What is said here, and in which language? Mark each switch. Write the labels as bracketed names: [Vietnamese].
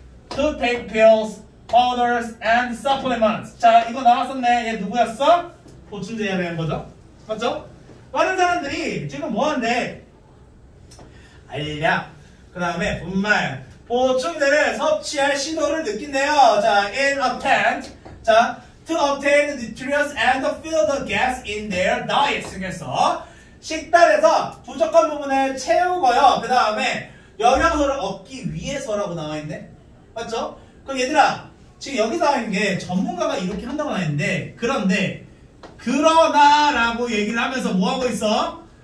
[English] To take pills, powders, and supplements. [Korean] 자, 이거 나왔었네. 얘 누구였어? 보충제에 대한 거죠. 맞죠? 많은 사람들이 지금 뭐 한대? 알약. 그 다음에 분말. 보충제를 섭취할 신호를 느낀대요. [English] 자, in attempt. 자, to obtain nutrients and fill the gaps in their diet. [Korean] 중에서 식단에서 부족한 부분을 채우고요. 그 다음에 영양소를 얻기 위해서라고 나와 있네. 맞죠? 그럼 얘들아, 지금 여기 나와 있는 게 전문가가 이렇게 한다고 나와 있는데, 그런데, 그러나 라고 얘기를 하면서 뭐 하고 있어?